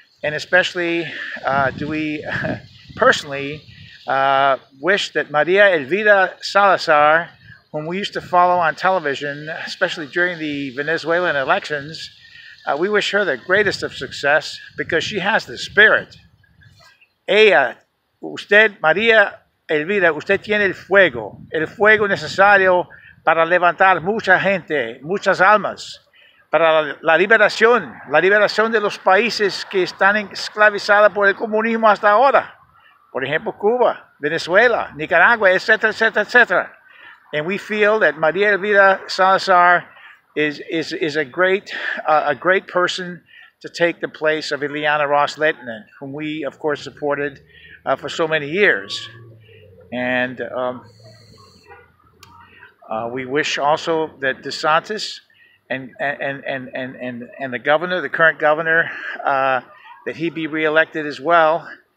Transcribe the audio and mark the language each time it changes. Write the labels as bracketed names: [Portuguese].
[English] And especially do we personally wish that Maria Elvira Salazar, whom we used to follow on television, especially during the Venezuelan elections, we wish her the greatest of success because she has the spirit. [Spanish] Ella, usted, Maria Elvira, usted tiene el fuego necesario para levantar mucha gente, muchas almas, para la liberación de los países que están esclavizados por el comunismo hasta ahora. [English] For example, Cuba, Venezuela, Nicaragua, etc., etc., etc. And we feel that Maria Elvira Salazar is a great person to take the place of Ileana Ross Lehtinen, whom we, of course, supported for so many years. And we wish also that DeSantis and the governor, the current governor, that he be reelected as well.